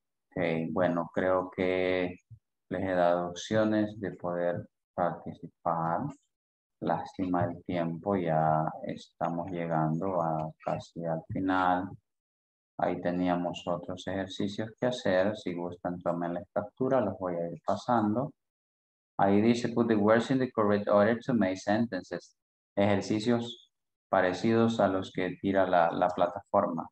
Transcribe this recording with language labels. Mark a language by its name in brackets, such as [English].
[Spanish] Okay, bueno, creo que les he dado opciones de poder participar. Lástima el tiempo, ya estamos llegando a casi al final. Ahí teníamos otros ejercicios que hacer. Si gustan, tomen la captura, los voy a ir pasando. Ahí dice, [English] put the words in the correct order to make sentences. [Spanish] Ejercicios parecidos a los que tira la plataforma.